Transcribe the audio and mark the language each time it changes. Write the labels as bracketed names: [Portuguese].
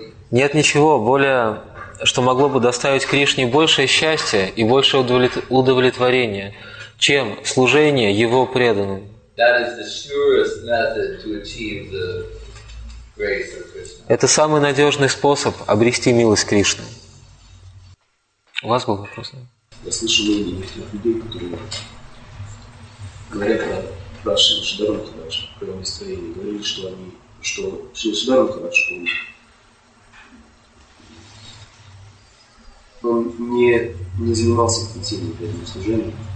[Russian] Нет ничего более, что могло бы доставить Кришне большее счастье и большее удовлетворение, чем служение его преданным. [English] That is the surest method to achieve the grace of Krishna. [Russian] Это самый надежный способ обрести милость Кришны. У вас был вопрос? Я слышал мнение некоторых людей, которые говорят про Шридхару Тадашу, когда мы стояли, говорили, что они, что Шридхару Тадашу, он не занимался интенсивным преданным служением.